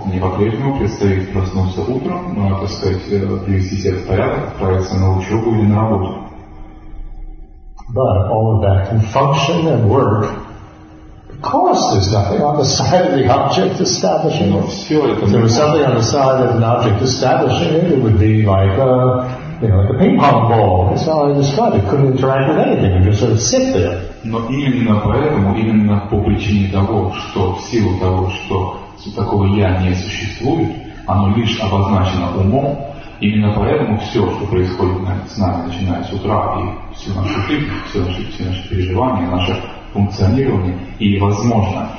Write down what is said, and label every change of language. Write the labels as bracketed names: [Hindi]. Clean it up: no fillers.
[Russian] Мне по-прежнему предстоит проснуться утром, но, так сказать, привести себя в порядок, отправиться на учебу или на работу. [English] But all of that can function and work because there's nothing on the side of the object establishing it. If there was something on the side of an object establishing it, it would be like a, you know, like a ping pong ball. That's how I described it. It couldn't interact with anything. It just sort of sit there. [Russian] Но именно поэтому, именно по причине того, что в силу того, что такого я не существует, оно лишь обозначено умом. Именно поэтому все, что происходит с нами, начиная с утра, и все наши жизни, все наши переживания, наше функционирование, и возможно.